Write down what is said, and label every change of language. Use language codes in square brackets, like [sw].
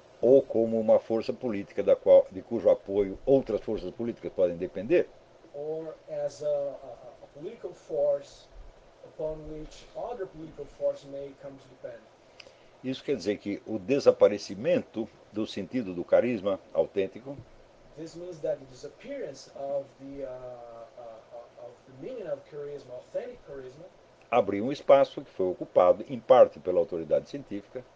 [pt] Ou como uma força política da qual, de cujo apoio outras forças políticas podem depender. [en] Or as a political force upon which other political forces may come to depend. [pt] Isso quer dizer que o desaparecimento do sentido do carisma autêntico. [en] This means that the disappearance of the meaning of charisma, authentic charisma, [pt] abriu um espaço que foi ocupado em parte pela autoridade científica.